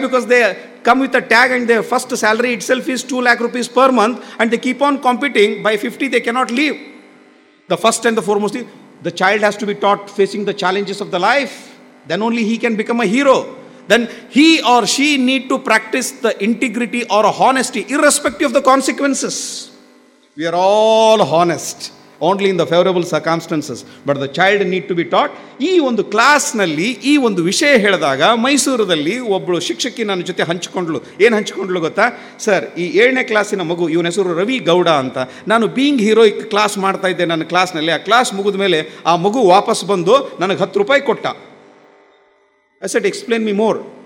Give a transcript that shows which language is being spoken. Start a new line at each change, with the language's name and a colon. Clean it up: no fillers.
English: Because they come with a tag and they first salary itself is 2 lakh rupees per month and they keep on competing. By 50 they cannot leave. The first and the foremost the child has to be taught facing the challenges of the life. Then only he can become a hero. Then he or she need to practise the integrity or honesty irrespective of the consequences. We are all honest only in the favorable circumstances, but the child need to be taught.
Kannada: ಈ ಒಂದು ಕ್ಲಾಸ್ನಲ್ಲಿ ಈ ಒಂದು ವಿಷಯ ಹೇಳಿದಾಗ ಮೈಸೂರದಲ್ಲಿ ಒಬ್ಬಳು ಶಿಕ್ಷಕಿ ನನ್ನ ಜೊತೆ ಹಂಚಿಕೊಂಡ್ಳು. ಏನು ಹಂಚಿಕೊಂಡ್ಳು ಗೊತ್ತಾ? ಸರ್, ಈ 7th ಕ್ಲಾಸಿನ ಮಗು, ಇವನ ಹೆಸರು ರವಿ ಗೌಡ ಅಂತ, ನಾನು ಬೀಯಿಂಗ್ ಹೀರೋಯಿಕ್ ಕ್ಲಾಸ್ ಮಾಡ್ತಾ ಇದ್ದೆ ನನ್ನ ಕ್ಲಾಸ್ನಲ್ಲಿ. ಆ ಕ್ಲಾಸ್ ಮುಗಿದ ಮೇಲೆ ಆ ಮಗು ವಾಪಸ್ ಬಂದು ನನಗೆ 10 rupees ಕೊಟ್ಟ.
English: I said explain me more.